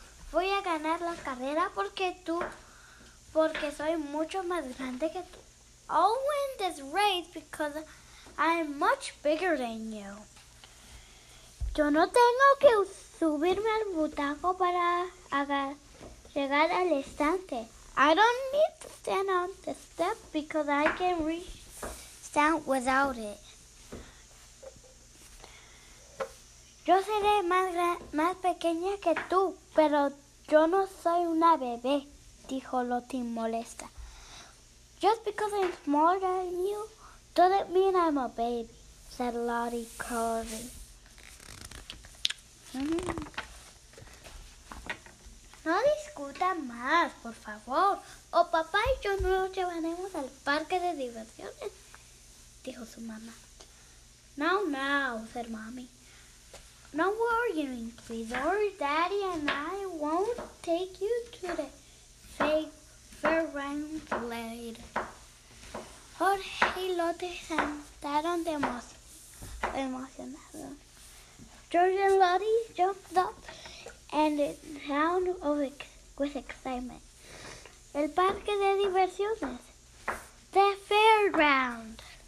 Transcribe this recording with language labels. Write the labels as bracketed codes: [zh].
[es] Voy a ganar la carrera porque soy mucho más grande que tú. [en] I'll win this race because I'm much bigger than you. [es] Yo no tengo que subirme al butaco para llegar al estante. [en] I don't need to stand on the step because I can reach stand without it. [es] Yo seré más pequeña que tú, pero yo no soy una bebé, dijo Lottie molesta. [en] Just because I'm smaller than you doesn't mean I'm a baby, said Lottie curly. [es] No discuta más, por favor, o papá y yo nos llevaremos al parque de diversiones, dijo su mamá. [en] No, said mommy. No worrying, please. Or Daddy and I won't take you to the fair grounds later. [es] Jorge y Lotte se sentaron emocionados. [en] George and Lottie jumped up and down with excitement. [es] El parque de diversiones. [en] The fairground.